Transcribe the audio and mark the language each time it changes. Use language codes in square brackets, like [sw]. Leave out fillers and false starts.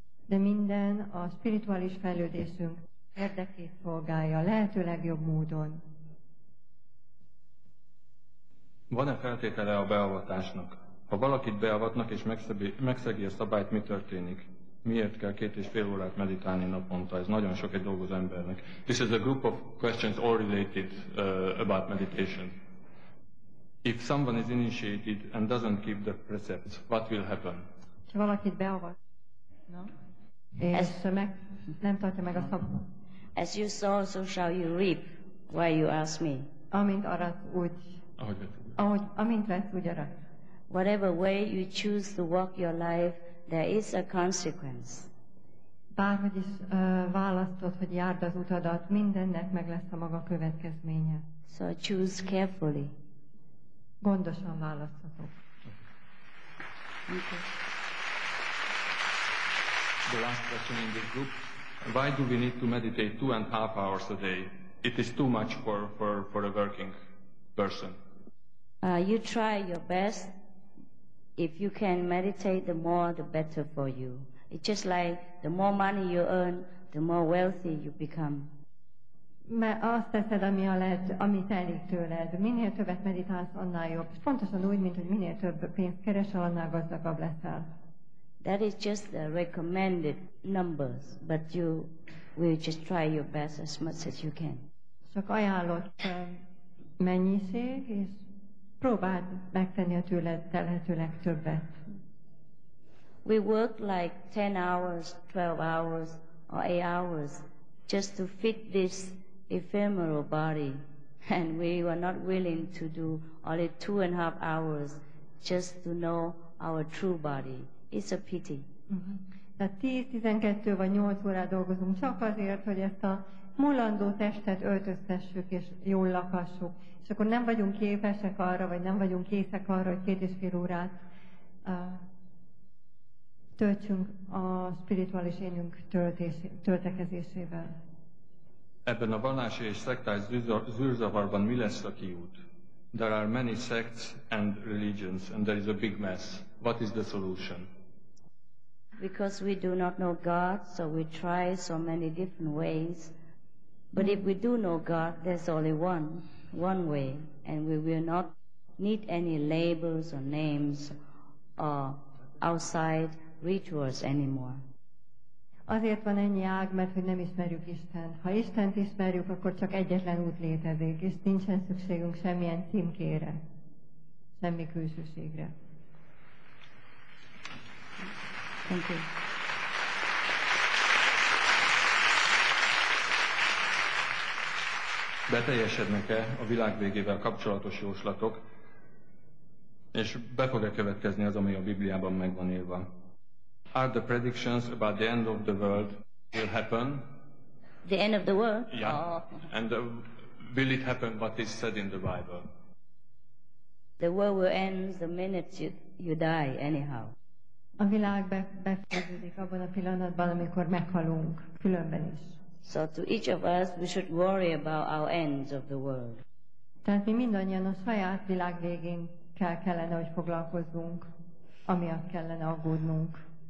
[hu] De minden a spirituális fejlődésünk érdekét szolgálja, lehető legjobb módon. Van-e feltétele a beavatásnak? Ha valakit beavatnak és megszegi a szabályt, mi történik? Miért kell 2.5 órát meditálni naponta? Ez nagyon sok egy dolgozó embernek. [en] This is a group of questions all related about meditation. If someone is initiated and doesn't keep the precepts, what will happen? [hu] Ha valakit beavat, no? És nem tartja meg a szabályt. [en] As you sow, so shall you reap, why you ask me. [hu] Amint arat, úgy. Ahogy amint vesz, úgy arat. [en] Whatever way you choose to walk your life, there is a consequence. [hu] Bárhogy is választod, hogy járd az utadat, mindennek meg lesz a maga következménye. [en] So choose carefully. [hu] Gondosan választhatok. [en] The last question in this group. Why do we need to meditate 2.5 hours a day? It is too much for a working person. You try your best. If you can meditate, the more, the better for you. It's just like the more money you earn, the more wealthy you become. [hu] Mert azt teszed, ami telik tőled. Minél többet meditálsz, annál jobb. Pontosan úgy, mint hogy minél több pénzt keresel, annál gazdagabb leszel. [en] That is just the recommended numbers, but you will just try your best as much as you can. [hu] Csak ajánlott mennyiség, és próbáld megtenni a tőled telhető legtöbbet. [en] We work like 10 hours, 12 hours, or 8 hours just to fit this ephemeral body, and we were not willing to do only 2.5 hours just to know our true body. It's a pity. [hu] Tehát 10-12 vagy 8 órát dolgozunk csak azért, hogy ezt a mulandó testet öltöztessük és jól lakassuk. És akkor nem vagyunk képesek arra, vagy nem vagyunk készek arra, hogy 2.5 órát töltsünk a spirituális énünk töltekezésével. Ebben a vallási és szektás zűrzavarban mi lesz a kiút? [en] There are many sects and religions, and there is a big mess. What is the solution? Because we do not know God, so we try so many different ways. But if we do know God, there's only one way, and we will not need any labels or names or outside rituals anymore. [hu] Azért van ennyi ág, mert hogy nem ismerjük Istent. Ha Istent ismerjük, akkor csak egyetlen út létezik, és nincsen szükségünk semmilyen címkére, semmi külsőségre. [en] Thank you. [hu] Beteljesednek-e a világ végével kapcsolatos jóslatok, és be fog-e következni az, ami a Bibliában megvan írva? [en] Are the predictions about the end of the world will happen? The end of the world? Yeah. Oh. And will it happen what is said in the Bible? The world will end the minute you die anyhow. [hu] A világ befejeződik abban a pillanatban, amikor meghalunk, különben is. [en] So to each of us, we should worry about our ends of the world. [hu] Tehát mi mindannyian a saját világ végén kellene, hogy foglalkozzunk, amiatt kellene aggódnunk.